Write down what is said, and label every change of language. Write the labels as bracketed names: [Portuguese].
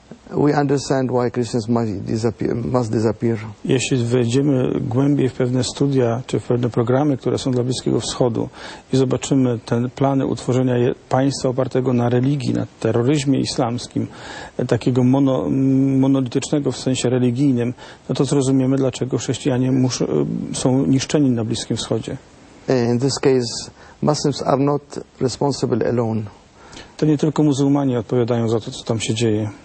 [English] We understand why Christians must disappear. [Polish] Jeśli wejdziemy głębiej w pewne studia czy w pewne programy, które są dla Bliskiego Wschodu i zobaczymy te plany utworzenia państwa opartego na religii, na terroryzmie islamskim, takiego monolitycznego w sensie religijnym, no to zrozumiemy, dlaczego chrześcijanie są niszczeni na Bliskim Wschodzie. [English] In this case, Muslims are not responsible alone. [Polish] To nie tylko muzułmanie odpowiadają za to, co tam się dzieje.